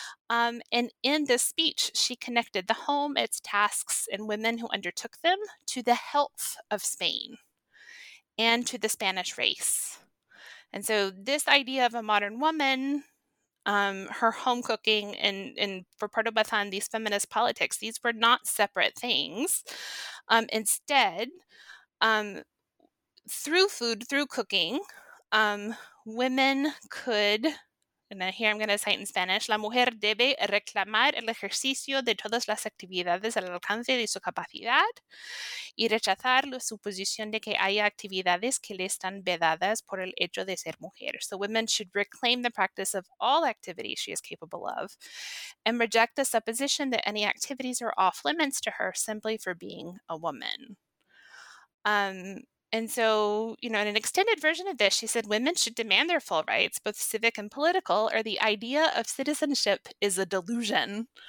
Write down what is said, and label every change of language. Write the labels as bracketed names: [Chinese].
[English] And in this speech, she connected the home, its tasks, and women who undertook them to the health of Spain and to the Spanish race. And so this idea of a modern woman, her home cooking, and for Pardo Bazán, these feminist politics, these were not separate things. Instead, through food, through cooking, women could, and here I'm going to cite in Spanish, [Spanish] la mujer debe reclamar el ejercicio de todas las actividades al alcance de su capacidad y rechazar la suposición de que haya actividades que le están vedadas por el hecho de ser mujer. [English] So women should reclaim the practice of all activities she is capable of and reject the supposition that any activities are off limits to her simply for being a woman. And so, you know, in an extended version of this, she said women should demand their full rights, both civic and political, or the idea of citizenship is a delusion.